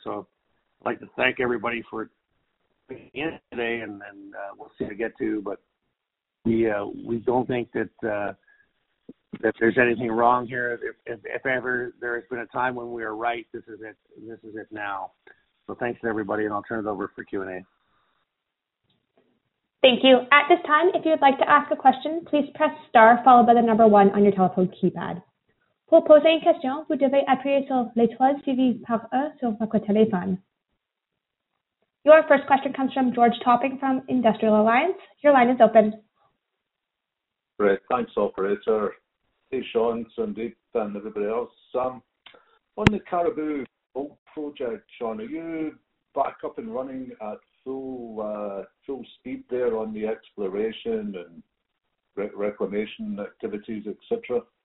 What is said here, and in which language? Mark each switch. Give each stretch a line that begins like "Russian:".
English: So I'd like to thank everybody for in today, and we'll see how to get to, but we don't think that that there's anything wrong here. If ever there has been a time when we are right, this is it now. So thanks to everybody, and I'll turn it over for Q&A. Thank you. At this time, if you would like to ask a question, please press star followed by the number one on your telephone keypad.
French: Pour poser une question, vous devez appuyer sur l'étoile suivie par un sur votre téléphone.
English: Your first question comes from George Topping from Industrial Alliance. Your line is open. Great. Thanks, operator. Hey, Sean, Sandeep, and everybody else. On the Caribou Gold Project, Sean, are you back up and running at full speed there on the exploration and reclamation activities, et cetera?